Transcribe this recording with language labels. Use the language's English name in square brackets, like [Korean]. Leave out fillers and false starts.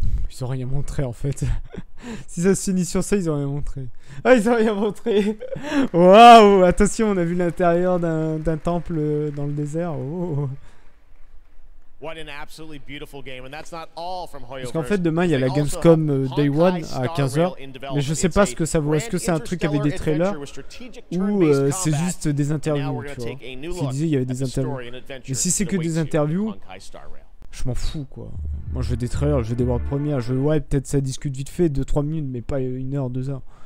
[French] Ils ont rien montré en fait. Si ça se finit sur ça, ils ont rien montré. Ah, ils ont rien montré. Waouh, attention, on a vu l'intérieur d'un temple dans le désert. Oh. [English] What an absolutely beautiful game, and that's not all from Hoyoverse. [French] Parce qu'en fait, demain il y a la Gamescom Day One à 15h, mais je sais pas ce que ça vaut. Est-ce que c'est un truc avec des trailers ou c'est juste des interviews, tu vois? S'ils disaient il y avait des interviews. Mais si c'est que des interviews, je m'en fous quoi. Moi je veux des trailers, je veux des world premières, je veux, ouais, peut-être ça discute vite fait, 2-3 minutes, mais pas une heure, deux heures.